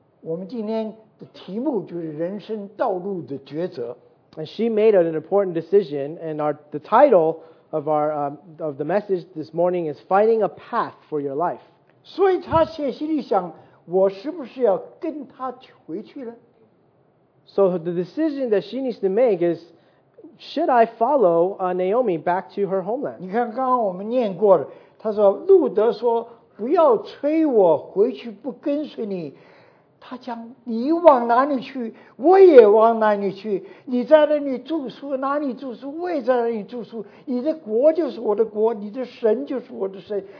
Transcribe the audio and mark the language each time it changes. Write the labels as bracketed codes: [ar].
[zh] 我们今天的题目就是人生道路的抉择。 [en] And she made an important decision, and the title of of the message this morning is Finding a Path for Your Life. [zh] 所以她写信里想，我是不是要跟他回去呢？ [en] So the decision that she needs to make is, should I follow Naomi back to her homeland? [zh] 你看刚刚我们念过的，她说路德说不要催我回去，不跟随你。他讲你往哪里去，我也往哪里去。你在那里住宿，哪里住宿，我也在那里住宿。你的国就是我的国，你的神就是我的神。